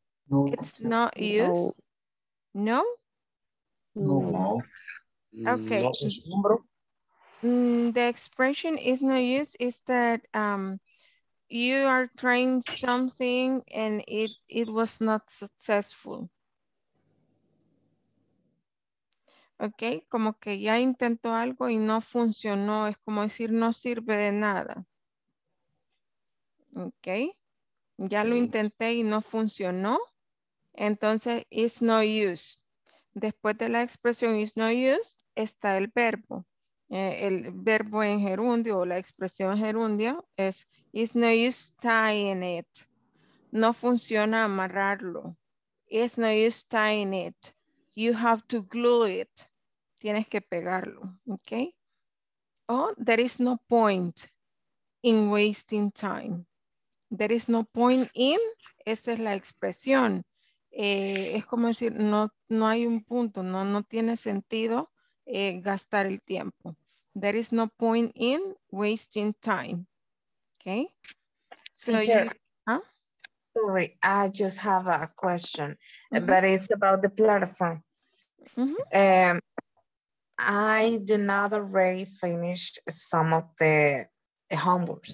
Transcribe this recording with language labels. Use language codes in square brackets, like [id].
[en] it's not use. No. No? No. Okay. The expression is no use is that you are trying something and it was not successful. [es] Okay, como que ya intentó algo y no funcionó. Es como decir no sirve de nada. Okay, ya lo intenté y no funcionó. Entonces [en] it's no use. [es] Después de la expresión [en] is no use, [es] está el verbo. El verbo en gerundio o la expresión gerundio es [en] is no use tying it. [es] No funciona amarrarlo. [en] Is no use tying it. You have to glue it. [es] Tienes que pegarlo, [en] okay? Oh, there is no point in wasting time. There is no point in, [es] esa es la expresión. Es como decir, no hay un punto, no tiene sentido gastar el tiempo. [en] There is no point in wasting time. Okay? So teacher, sorry, I just have a question, but it's about the platform. I do not already finish some of the homework.